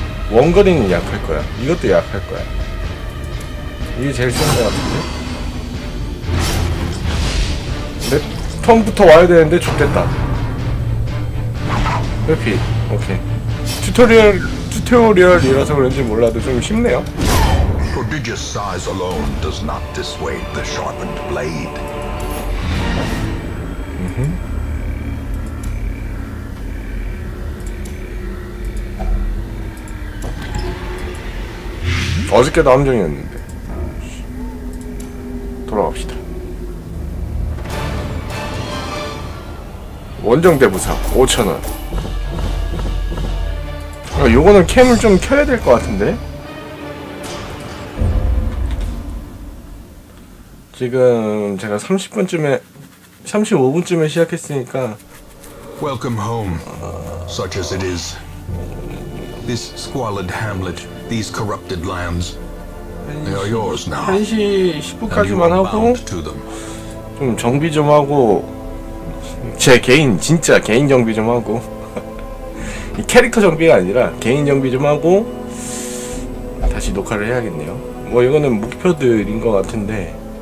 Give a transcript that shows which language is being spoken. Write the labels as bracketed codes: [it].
[ko] 원거리는 약할 거야. 이것도 약할 거야. 이게 제일 센 것 같은데? 내 턴부터 와야 되는데 좋겠다. 회피. 오케이. 튜토리얼이라서 그런지 몰라도 좀 쉽네요. [en] Prodigious size alone does not dissuade the sharpened blade. [ko] 어저께도 함정이었는데 돌아갑시다. 원정 대부사 5,000원. 아, 요거는 캠을 좀 켜야 될 것 같은데. 지금 제가 35분쯤에 시작했으니까. [en] Welcome home. Such as it is, this squalid hamlet, these corrupted lands. They are yours now. [ko] 1시 10분까지만 하고 좀 정비 좀 하고, 제 개인 진짜 개인 정비 좀 하고 이 캐릭터 정비가 아니라 개인 정비 좀 하고 다시 녹화를 해야겠네요. 뭐 이거는 목표들인 것 같은데.